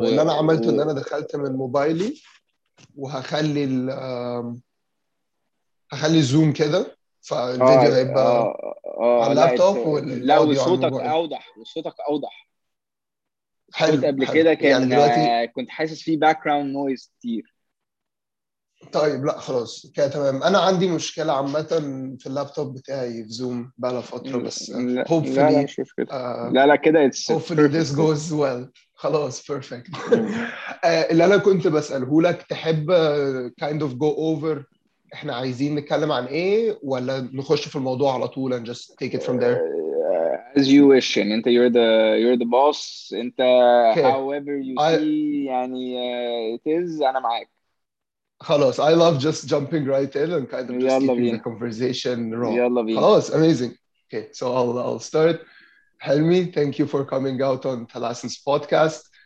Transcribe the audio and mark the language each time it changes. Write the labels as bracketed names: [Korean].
[Arabic] واللي انا عملته ان انا دخلت من موبايلي وهخلي زوم كده، فالفيديو هيبقى على اللابتوب. لا وصوتك اوضح، وصوتك اوضح. حلو. قبل كده كان يعني دلوقتي كنت حاسس فيه باك جراوند نويز كتير. طيب لا خلاص كده تمام. انا عندي مشكله عامه في اللابتوب بتاعي في زوم بقى فتره، بس [English] hopefully [Arabic] لا كده [English] it's hopefully this goes well. [Arabic] خلاص [English] perfect. [Arabic] اللي انا كنت بساله لك، تحب [English] kind of go over [Arabic] احنا عايزين نتكلم عن ايه، ولا نخش في الموضوع على طول [English] and just take it from there as you wish. [Arabic] يعني انت [English] you're the boss. [Arabic] انت [English] okay. however you see [Arabic] يعني [English] it is. [Arabic] انا معاك. خلاص. [English] I love just jumping right in and kind of just keeping the conversation raw. [Arabic] خلاص [English] amazing. Okay, so I'll start. Helmi, thank you for coming out on Thalassains Podcast.